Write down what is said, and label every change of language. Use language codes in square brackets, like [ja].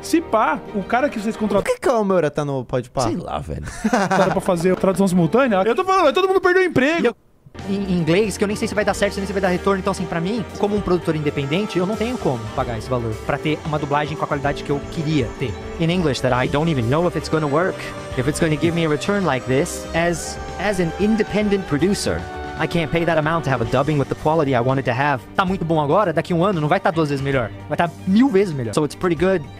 [pt] Se pá, o cara que vocês contrataram. Por que o Moura tá no Pode Pá? Sei lá, velho. Era pra fazer tradução simultânea? Eu tô falando, todo mundo perdeu o emprego. Em inglês, que eu nem sei se vai dar certo, nem se vai dar retorno. Então assim, pra mim, como um produtor independente, eu não tenho como pagar esse valor pra ter uma dublagem com a qualidade que eu queria ter. [en] In English, that I don't even know if it's gonna work, if it's gonna give me a return like this, as an independent producer, I can't pay that amount to have a dubbing with the quality I wanted to have. [pt] Tá muito bom agora, daqui um ano não vai estar duas vezes melhor, vai estar mil vezes melhor. [en] So it's pretty good.